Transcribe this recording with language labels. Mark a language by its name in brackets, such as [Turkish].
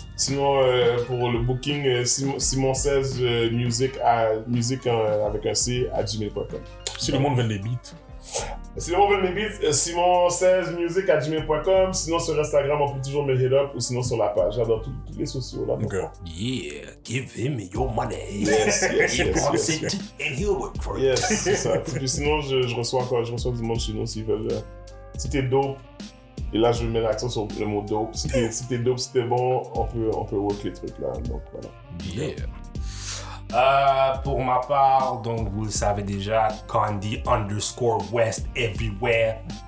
[French] Sinon, pour le booking, Simon 16 Music avec un C à gmail.com. Si le monde veut des beats. Sinon, vous me dites simon16music@gmail.com. Sinon, sur Instagram, on peut toujours me hit up ou sinon sur la page. J'adore tous les sociaux là. [English] Okay. Yeah, give him your money. Yes. And he'll work for it. [French] Yes, c'est ça. Puis sinon, je reçois du monde chez nous s'ils veulent. Si t'es dope, et là, je mets l'accent sur le mot dope. Si t'es dope, si t'es bon, on peut work les trucs là. Donc voilà. [English] Yeah. [French] Pour ma part, donc vous le savez déjà, Candy_West everywhere.